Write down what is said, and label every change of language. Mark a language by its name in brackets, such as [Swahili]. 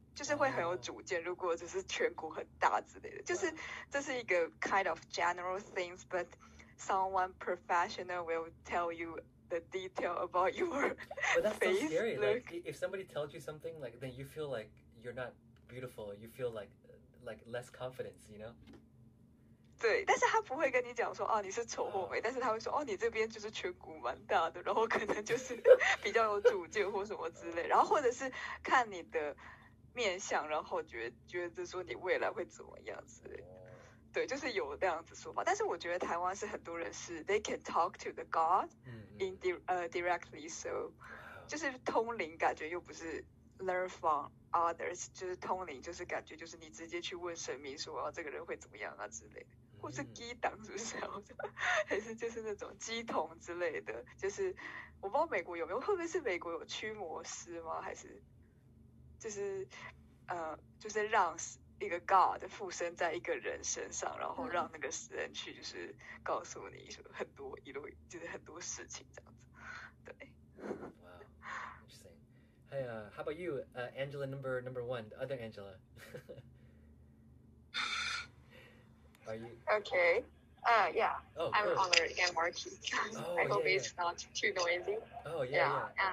[Chinese] 就是会很有主见，如果只是颧骨很大之类的，就是这是一个 [English] kind of general things, but someone professional will tell you the detail about your But that's so face scary. Like, look. if somebody tells you something, like, then you feel like you're not beautiful. You feel like less confidence, you know? [Chinese] 对，但是他不会跟你讲说啊你是丑货没，但是他会说哦你这边就是颧骨蛮大的，然后可能就是比较有主见或什么之类，然后或者是看你的面相，然后觉得说你未来会怎么样之类的。对，就是有这样子说法，但是我觉得台湾是很多人是 [English] they can talk to the God in directly, so [Chinese] 就是通灵，感觉又不是 [English] learn from others, [Chinese] 就是通灵，就是感觉就是你直接去问神明说啊这个人会怎么样啊之类的，或是激荡是不是啊？还是就是那种激同之类的，就是我不知道美国有没有，会不会是美国有驱魔师吗？还是就是让一个 God 附身在一个人身上，然后让那个人去，就是告诉你说很多一路，就是很多事情这样子。对。 [English] Interesting. Hey, how about you, Angela number one, the other Angela? Are you? Okay. Yeah, Oh, I'm good. honored and working. Oh, I hope it's not too noisy. Oh, Yeah.